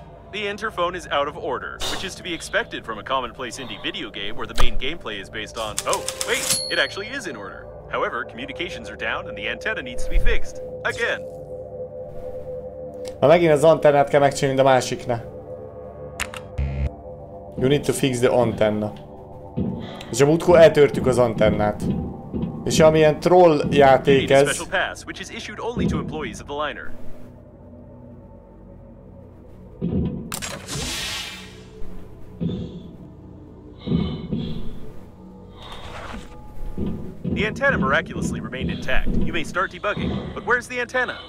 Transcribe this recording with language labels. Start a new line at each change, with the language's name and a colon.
English: The interphone is out of order, which is to be expected from a commonplace indie video game where the main gameplay is based on... Oh, wait, it actually is in order. However, communications are down and the antenna needs to be fixed. Again.
Hungarian: Ha megint az antennát kell megcsinálni, de másikna.
English: You need to fix the antenna.
Hungarian: És a múltkor eltörtük az antennát. És amilyen troll játék ez...
English: A special pass, which is issued only to employees of the liner. The antenna miraculously remained intact. You may start debugging, but where's the antenna?